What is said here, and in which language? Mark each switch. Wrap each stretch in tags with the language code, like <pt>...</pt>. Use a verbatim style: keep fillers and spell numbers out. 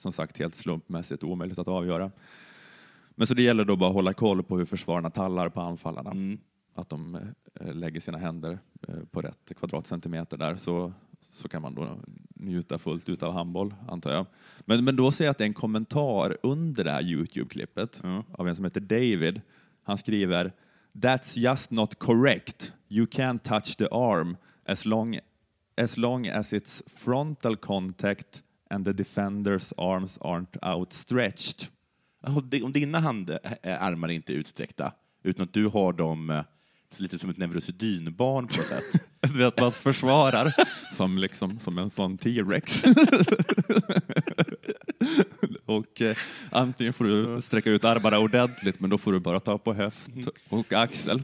<sv>Som sagt, helt slumpmässigt omöjligt att avgöra. Men så det gäller då bara att hålla koll på hur försvararna tallar på anfallarna. Mm. Att de eh, lägger sina händer eh, på rätt kvadratcentimeter där. Så, så kan man då njuta fullt ut av handboll, antar jag. Men, men då ser jag att det är en kommentar under det här YouTube-klippet. Mm. Av en som heter David. Han skriver:</sv> <en>"That's just not correct. You can't touch the arm as long as, long as it's frontal contact and the defender's arms aren't outstretched."</en> <sv>Om dina hand, äh, armar är inte utsträckta, utan att du har dem äh, lite som ett neurosedynbarn på något sätt. Du vet, man försvarar som, liksom, som en sån T-rex. Och äh, antingen får du sträcka ut armarna ordentligt, men då får du bara ta på höft och axel.</sv>